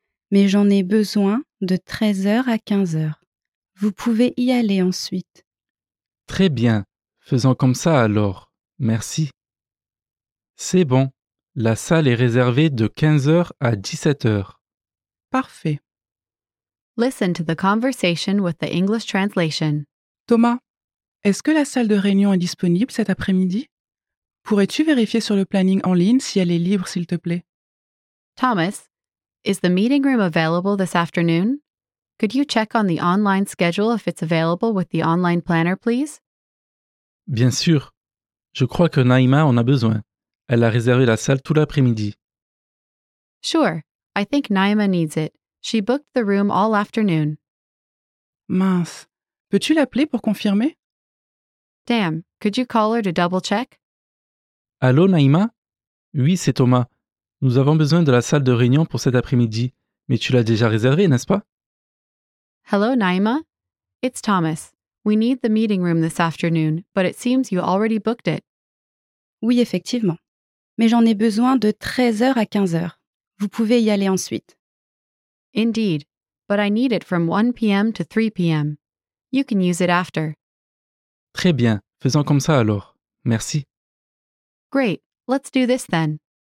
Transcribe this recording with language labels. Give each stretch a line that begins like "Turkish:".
French: Mais j'en ai besoin de 13h à 15h. Vous pouvez y aller ensuite. Très bien. Faisons comme ça alors. Merci. C'est bon. La salle est réservée de 15h à 17h. Parfait.
English: Listen to the conversation with the English translation.
French: Thomas, est-ce que la salle de réunion est disponible cet après-midi? Pourrais-tu vérifier sur le planning en ligne si elle est libre, s'il te plaît?
English: Thomas, is the meeting room available this afternoon? Could you check on the online schedule if it's available with the online planner, please?
French: Bien sûr. Je crois que Naima en a besoin. Elle a réservé la salle tout l'après-midi.
English: Sure. I think Naima needs it. She booked the room all afternoon.
French: Mince. Peux-tu l'appeler pour confirmer?
English: Damn. Could you call her to double check?
French: Allô, Naima? Oui, c'est Thomas. Nous avons besoin de la salle de réunion pour cet après-midi. Mais tu l'as déjà réservée, n'est-ce pas?
English: Hello, Naima. It's Thomas. We need the meeting room this afternoon, but it seems you already booked it.
French: Oui, effectivement. Mais j'en ai besoin de 13h à 15h. Vous pouvez y aller ensuite.
English: Indeed. But I need it from 1 p.m. to 3 p.m. You can use it after.
French: Très bien. Faisons comme ça alors. Merci.
English: Great. Let's do this then.